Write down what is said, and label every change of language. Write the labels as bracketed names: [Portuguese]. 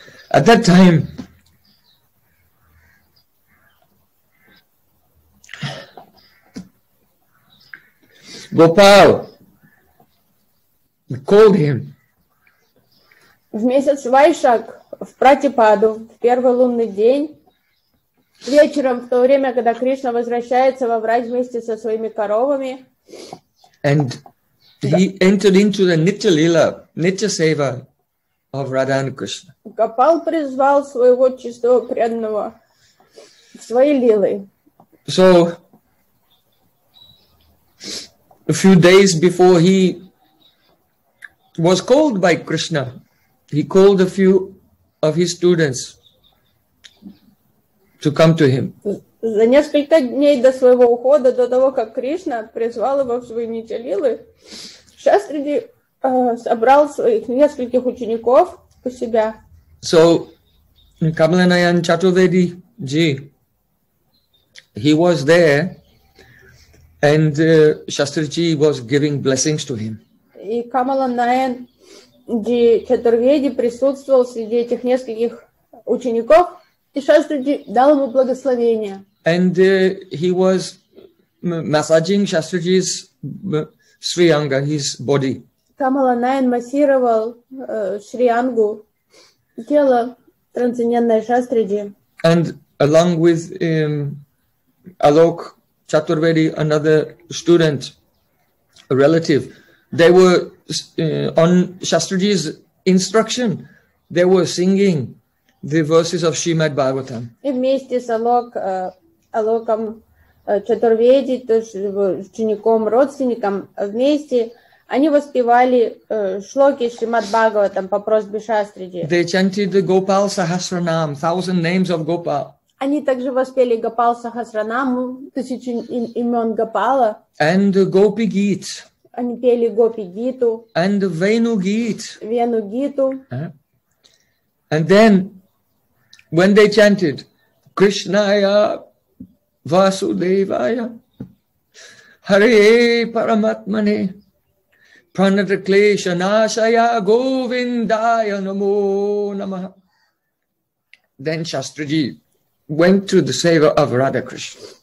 [English] at that time, Gopal called him. [Russian] В месяц Вайшак, в Пратипаду, в первый лунный день, вечером, в то время, когда Кришна возвращается во врач вместе со своими коровами. [English] And he entered into the Nitya-лила, Nitya-сева of Radha and Krishna. [Russian] Gopal призвал своего чистого преданного в свои лилы. [English] So, a few days before he was called by Krishna, he called a few of his students to come to him. [Russian] За несколько дней до своего ухода, до того, как Кришна призвал его в свои нитя-лилы, Шастриди собрал своих нескольких учеников у себя. [English] So, Kamalanayan Chaturvedi ji, he was there, and Shastriji was giving blessings to him. [Russian] И Kamalanayan ji Chaturvedi присутствовал среди этих нескольких учеников, и Шастриджи дал ему благословение. [English] And he was massaging Shastriji's Sriyanga, his body. [Russian] Kamalanayan массировал Шриангу, тело трансцендентной Шастриджи. [English] And along with Alok Chaturvedi, another student, a relative, they were on Shastriji's instruction, they were singing the verses of Srimad Bhagavatam. [Russian] И вместе с Алоком Чатурведи, учеником, родственником, вместе они воспевали шлоки Шримад Бхагаватам по просьбе Шастриджи. [English] They chanted the Gopal Sahasranam, thousand names of Gopal. [Russian] Они также воспели Гопал Сахасранам, тысячи имен Гопала. [English] And the Gopi Geet. [Russian] Они пели Гопи Гиту. [English] And the Venu Geet. [Russian] Вену Гиту. [English] And then, when they chanted [Sanskrit] Krishnaya Vasudevaya Hare Paramatmane Pranataklesha Nashaya Govindaya Namo Namaha, [English] then Shastriji went to the seva of Radha Krishna.